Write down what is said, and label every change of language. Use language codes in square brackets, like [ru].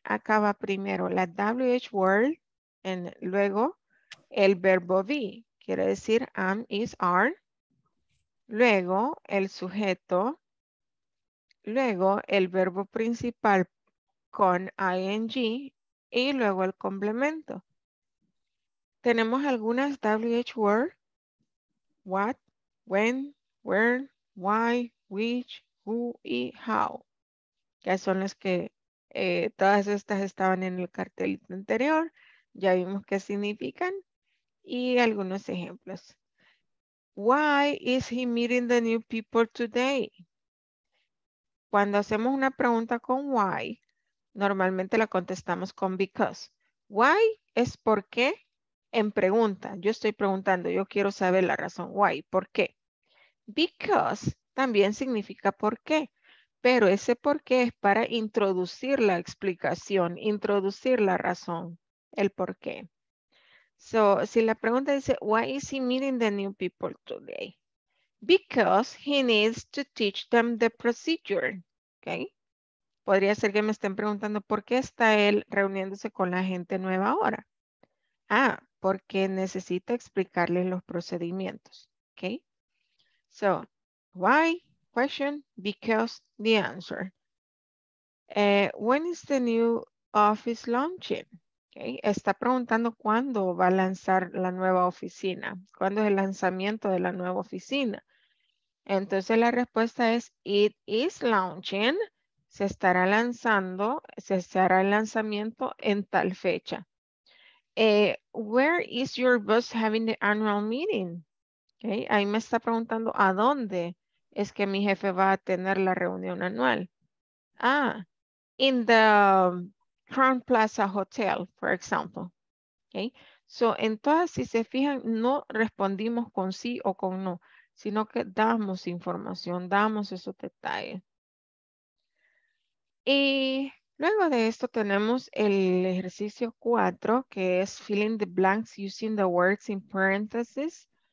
[es] Acá va primero la WH word, en, luego el verbo be, quiere decir am, is, are. Luego el sujeto. Luego el verbo principal con ing y luego el complemento. Tenemos algunas WH word. [en] What, when, where, why, which, who y how. [es] Ya son las que todas estas estaban en el cartelito anterior. Ya vimos qué significan. Y algunos ejemplos. [en] Why is he meeting the new people today? [es] Cuando hacemos una pregunta con why, normalmente la contestamos con because. Why es por qué. En pregunta, yo estoy preguntando, yo quiero saber la razón why, ¿por qué? Because también significa por qué, pero ese por qué es para introducir la explicación, introducir la razón, el por qué. [en] So, [es] si la pregunta dice, [en] why is he meeting the new people today? Because he needs to teach them the procedure, ¿ok? [es] Podría ser que me estén preguntando, ¿por qué está él reuniéndose con la gente nueva ahora? Ah, porque necesita explicarles los procedimientos, ¿ok? [en] So, why, question, because, the answer. When is the new office launching? Okay. [es] Está preguntando cuándo va a lanzar la nueva oficina, cuándo es el lanzamiento de la nueva oficina. Entonces la respuesta es, [en] it is launching, [es] se estará lanzando, se hará el lanzamiento en tal fecha. [en] Where is your boss having the annual meeting? Okay. [es] Ahí me está preguntando a dónde es que mi jefe va a tener la reunión anual. [en] Ah, in the Crown Plaza Hotel, for example. Okay. [es] So, entonces, si se fijan, no respondimos con sí o con no, sino que damos información, damos esos detalles. Y luego de esto tenemos el ejercicio 4, que es [en] fill in the blanks using the words in parentheses.